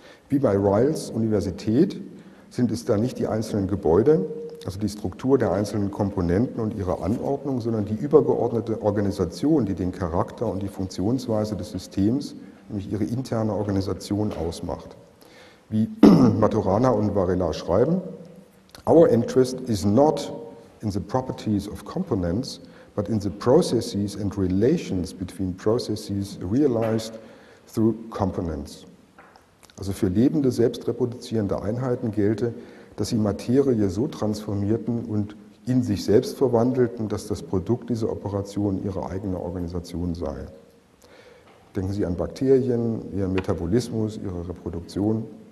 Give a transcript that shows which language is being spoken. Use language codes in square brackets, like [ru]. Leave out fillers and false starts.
[de] Wie bei Ryles Universität sind es da nicht die einzelnen Gebäude, also die Struktur der einzelnen Komponenten und ihre Anordnung, sondern die übergeordnete Organisation, die den Charakter und die Funktionsweise des Systems, nämlich ihre interne Organisation, ausmacht. wie Maturana und Varela schreiben, [en] our interest is not in the properties of components, but in the processes and relations between processes realized through components. [de] Also für lebende, selbstreproduzierende Einheiten gelte, dass sie Materie so transformierten und in sich selbst verwandelten, dass das Produkt dieser Operation ihre eigene Organisation sei. Denken Sie an Bakterien, ihren Metabolismus, ihre Reproduktion.